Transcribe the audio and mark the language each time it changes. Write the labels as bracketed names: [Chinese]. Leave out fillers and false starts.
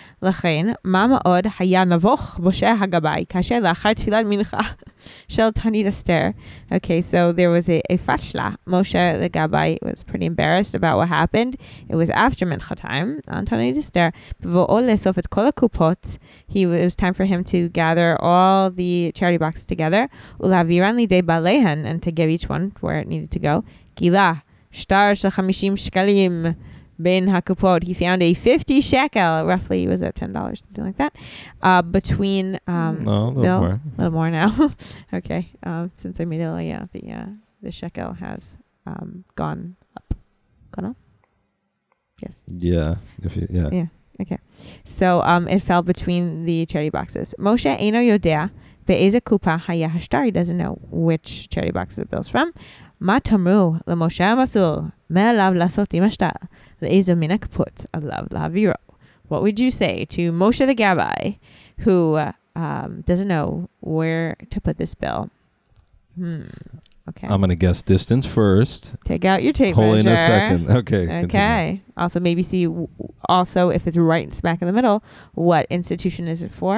[Hebrew] לכן, מה מאוד היה נבוך משה הגבאי, כאשר לאחר תפילת מנחה של תענית אסתר. [English] Okay, so there was a fashla. Moshe the Gabbai was pretty embarrassed about what happened. It was after mincha time, on tענית אסתר. בבואו לאסוף את כל הקופות, it was time for him to gather all the charity boxes together, ולהעבירן לידי בעליהן, and to give each one where it needed to go. גילה. [Hebrew] Star shel 50 shekelim ben hakupot. [English] He found a 50 shekel, roughly, was it $10, something like that, between... A little more. A little more now. Okay, since I made it, the shekel has gone up? Yes. Yeah. Okay. So it fell between the charity boxes. Moshe eino yodea be'eze kupa haya hashtar. He doesn't know which charity box the bill's from. [Hebrew] מה תאמרו למשה המסור? מה עליו לעשות עם השטר? לאיזה מן הקופות עליו להעבירו? [English] What would you say to Moshe the Gabbai, who doesn't know where to put this bill? Okay. I'm going to guess distance first. Take out your tape measure. Hold in a second. Okay. Okay. Continue. Also, maybe see also if it's right smack in the middle, what institution is it for?